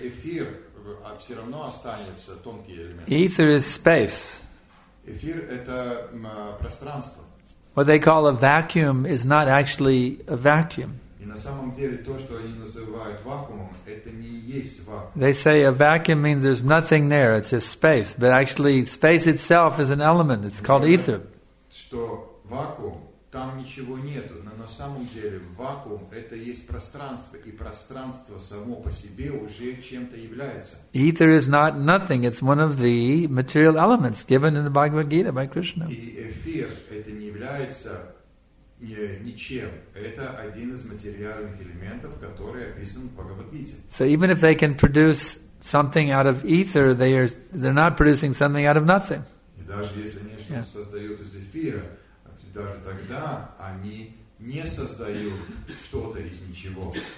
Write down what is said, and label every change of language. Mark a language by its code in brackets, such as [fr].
[ru] эфир, все равно останется тонкий элемент. [en] Ether is space. [ru] Эфир — это пространство. [en] What they call a vacuum is not actually a vacuum. [ru] И на самом деле то, что они называют вакуумом, это не есть вакуум. [en] They say a vacuum means there's nothing there, it's just space. But actually, space itself is an element, it's called ether. [ru] Что вакуум, там ничего нету, но на самом деле вакуум — это есть пространство, и пространство само по себе уже чем-то является. [en] Ether is not nothing, it's one of the material elements given in the Bhagavad Gita by Krishna. [ru] И эфир — это не является ничем. Это один из материальных элементов, который описан в Бхагавад-гите. [en] So even if they can produce something out of ether, they're not producing something out of nothing. [ru] И даже если они что-то создают из эфира, даже тогда они не создают что-то из ничего.